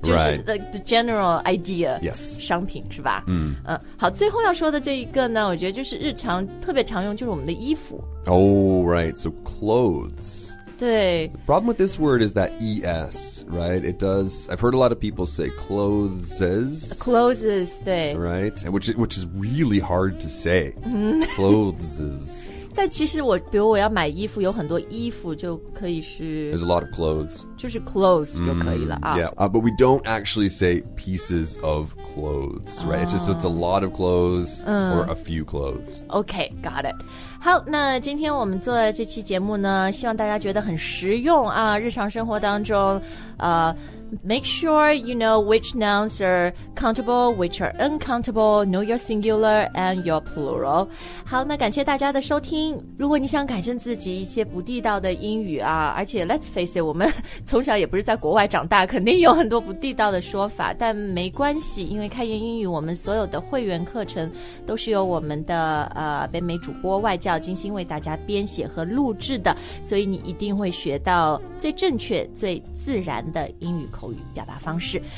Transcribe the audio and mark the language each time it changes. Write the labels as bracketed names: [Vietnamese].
[English] yeah. [Chinese] 就是 [English] the general idea. Yes. [Chinese] 商品是吧、好最后要说的这一个呢我觉得就是日常特别常用就是我们的衣服。 [English] Oh, right. So clothes. [Chinese] 对。 [English] The problem with this word is that ES, right? It does, I've heard a lot of people say clothes. Clothes, 对。 Right? Which is really hard to say. Clothes. [Chinese] 但其实我比如我要买衣服有很多衣服就可以是 [English] There's a lot of clothes [Chinese] 就是 clothes 就可以了、 [English] Yeah, but we don't actually say pieces of clothes, right?、It's just a lot of clothes、or a few clothes Okay, got it [Chinese] 好，那今天我们做的这期节目呢，希望大家觉得很实用啊，日常生活当中 [English] make sure you know which nouns are countable, which are uncountable, know your singular and your plural. [Chinese] 好，那感谢大家的收听。如果你想改正自己一些不地道的英语啊，而且 [English] let's face it, [Chinese] 我们从小也不是在国外长大，肯定有很多不地道的说法，但没关系，因为开言英语我们所有的会员课程都是由我们的北美主播外教精心为大家编写和录制的，所以你一定会学到最正确最自然的英语口语表达方式。